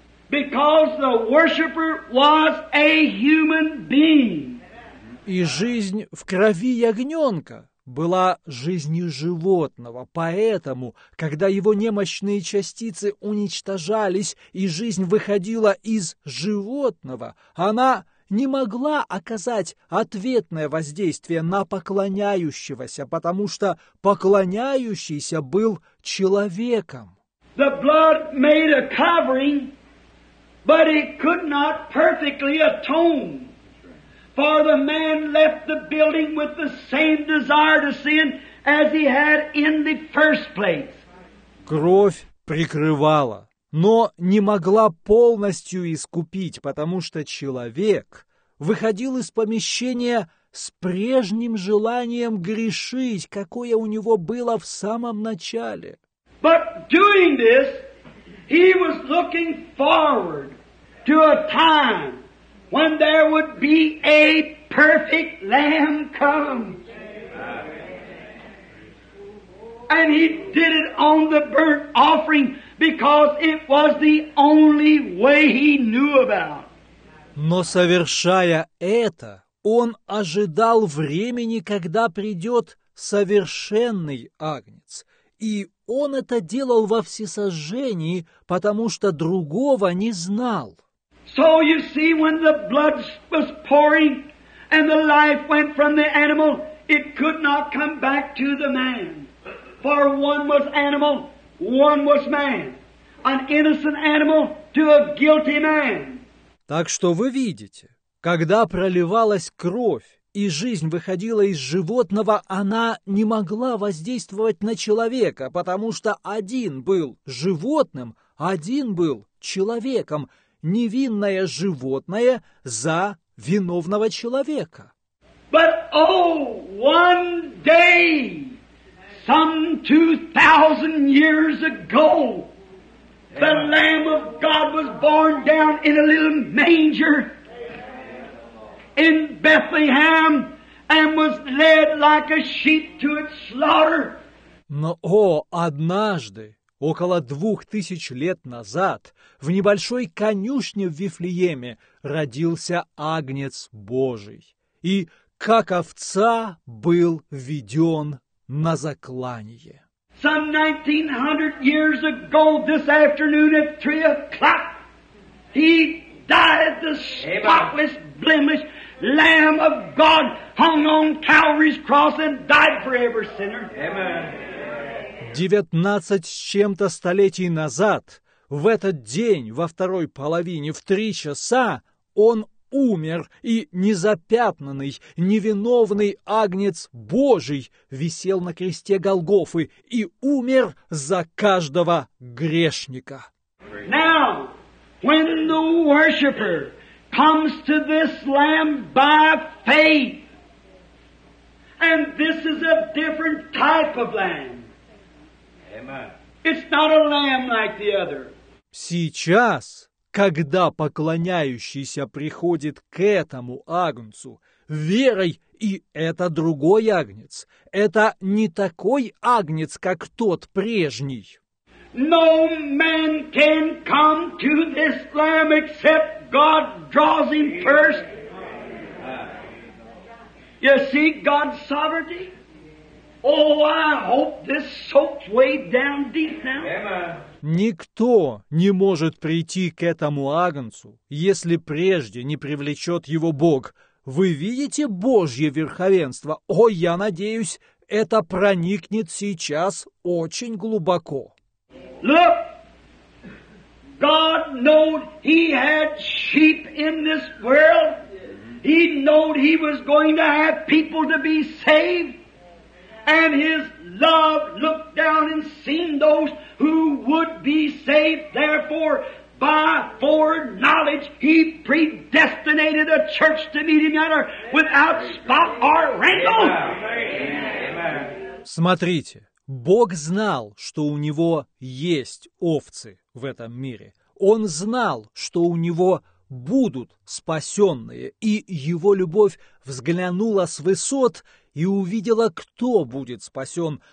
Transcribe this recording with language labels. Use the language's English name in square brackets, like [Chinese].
[English] Because the worshiper was a human being. [Russian] И жизнь в крови ягненка была жизнью животного. Поэтому, когда его немощные частицы уничтожались, и жизнь выходила из животного, она не могла оказать ответное воздействие на поклоняющегося, потому что поклоняющийся был человеком. [English] The blood made a covering. But it could not perfectly atone, for the man left the building with the same desire to sin as he had in the first place. [Russian] Кровь прикрывала, но не могла полностью искупить, потому что человек выходил из помещения с прежним желанием грешить, какое у него было в самом начале. [English] But doing this, he was looking forward to a time when there would be a perfect lamb come. And he did it on the burnt offering because it was the only way he knew about. [Russian] Но совершая это, он ожидал времени, когда придет совершенный Агнец. И он это делал во всесожжении, потому что другого не знал. [English] So you see, when the blood was pouring and the life went from the animal, it could not come back to the man. For one was animal, one was man. An innocent animal to a guilty man. [Russian] Так что вы видите, когда проливалась кровь и жизнь выходила из животного, она не могла воздействовать на человека, потому что один был животным, один был человеком. Невинное животное за виновного человека. [English] But oh, one day, some 2,000 years ago, the Lamb of God was born down in a little manger in Bethlehem and was led like a sheep to its slaughter. [Russian] Но о, однажды, около 2000 лет назад, в небольшой конюшне в Вифлееме родился Агнец Божий, и как овца был введен на заклание. [English] Some 1900 years ago this afternoon at 3 o'clock, he died the spotless, blemish Lamb of God hung on Calvary's cross and died forever, sinner. Amen. [Russian] 19 с чем-то столетий назад, в этот день, во второй половине, в 3 часа, он умер, и незапятнанный, невиновный Агнец Божий висел на кресте Голгофы и умер за каждого грешника. [English] Now, when the worshiper comes to this lamb by faith, and this is a different type of lamb. It's not a lamb like the other. [Russian] Сейчас, когда поклоняющийся приходит к этому Агнцу верой, и это другой Агнец, это не такой Агнец, как тот прежний. [English] No man can come to this Lamb except God draws him first. You see God's sovereignty? Oh, I hope this soaks way down deep now. [Russian] Никто не может прийти к этому Агнцу, если прежде не привлечет его Бог. Вы видите Божье верховенство? О, я надеюсь, это проникнет сейчас очень глубоко. [English] Look, God knowed he had sheep in this world. He knowed he was going to have people to be saved. And his love looked down and seen those who would be saved. Therefore, by foreknowledge, he predestinated a church to meet him at her without spot or wrinkle. [Russian] Смотрите, Бог знал, что у него есть овцы в этом мире. Он знал, что у него будут спасенные, и его любовь взглянула с высот и увидела, кто будет спасен.